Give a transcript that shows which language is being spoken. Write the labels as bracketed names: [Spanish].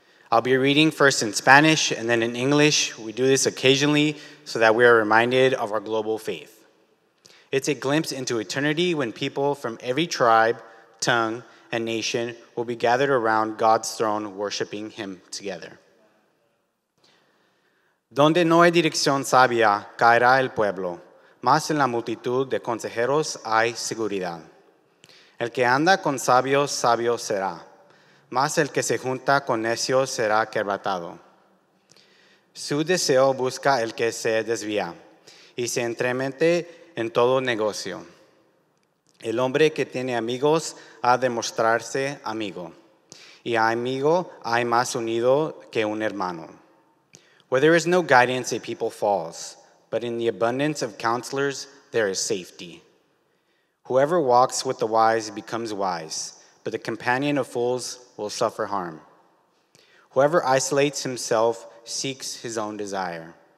[English] I'll be reading first in Spanish and then in English. We do this occasionally so that we are reminded of our global faith. It's a glimpse into eternity when people from every tribe, tongue, and nation will be gathered around God's throne, worshiping Him together. [Spanish] Donde no hay dirección sabia, caerá el pueblo. Mas en la multitud de consejeros hay seguridad. El que anda con sabios, sabio será. Mas el que se junta con necios será quebrantado. Su deseo busca el que se desvía, y se entremete en todo negocio. El hombre que tiene amigos ha de mostrarse amigo, y a amigo hay más unido que un hermano. [English] Where there is no guidance, a people falls, but in the abundance of counselors, there is safety. Whoever walks with the wise becomes wise, but the companion of fools will suffer harm. Whoever isolates himself seeks his own desire.